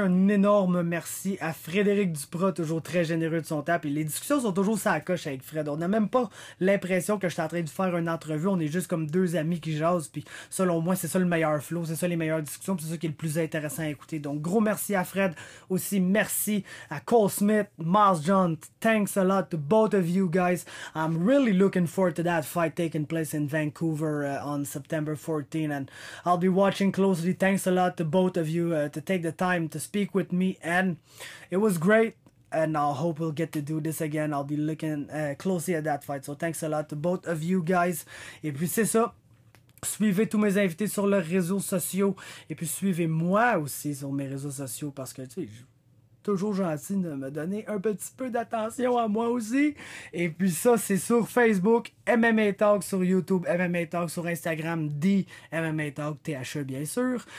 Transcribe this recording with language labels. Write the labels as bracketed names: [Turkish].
[French] Un énorme merci à Frédéric Duprat, toujours très généreux de son temps. Puis les discussions sont toujours sur la coche avec Fred. On n'a même pas l'impression que je suis en train de faire une entrevue. On est juste comme deux amis qui jasent. Puis selon moi, c'est ça le meilleur flow. C'est ça les meilleures discussions. Puis c'est ça qui est le plus intéressant à écouter. Donc, gros merci à Fred. Aussi, merci à Cole Smith, Miles John. [English] Thanks a lot to both of you guys. I'm really looking forward to that fight taking place in Vancouver on September 14. And I'll be watching closely. Thanks a lot to both of you to take the time to speak with me, and it was great, and I hope we'll get to do this again. I'll be looking closely at that fight, so thanks a lot to both of you guys. [French] Et puis c'est ça, suivez tous mes invités sur leurs réseaux sociaux, et puis suivez moi aussi sur mes réseaux sociaux, parce que tu sais, toujours gentil de me donner un petit peu d'attention à moi aussi. Et puis ça, c'est sur Facebook, MMA Talk, sur YouTube, MMA Talk, sur Instagram, The MMA Talk, THE bien sûr.